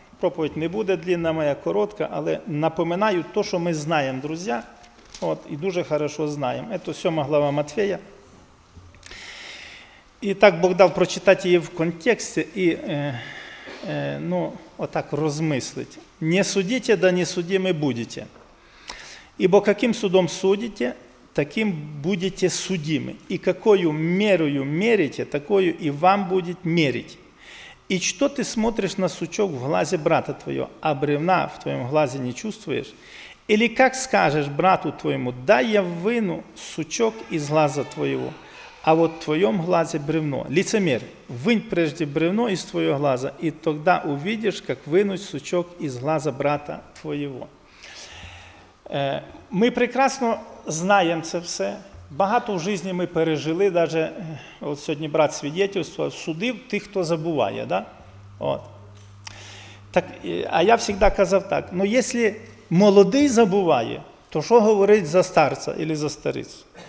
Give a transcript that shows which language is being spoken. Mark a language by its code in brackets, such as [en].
[uk] Проповідь не буде длинна моя, коротка, але напоминаю те, що ми знаємо, друзі, і дуже добре знаємо. Це 7 глава Матфея, И так Бог дав прочитати її в контексті і ну, отак розмислити. [ru] «Не судите, да не судимы будете. Ибо каким судом судите, таким будете судимы. И какою мерою мерите, такою и вам будет мерить. И что ты смотришь на сучок в глазе брата твоего, а бревна в твоем глазе не чувствуешь? Или как скажешь брату твоему, дай я выну сучок из глаза твоего, а вот в твоем глазе бревно? Лицемер, вынь прежде бревно из твоего глаза, и тогда увидишь, как вынуть сучок из глаза брата твоего». [uk] Ми прекрасно знаємо це все. Багато в житті ми пережили, навіть сьогодні брат свідчив, судив тих, хто забуває. Да? От. Так, а я завжди казав так, ну, якщо молодий забуває, то що говорить за старця або за старицю?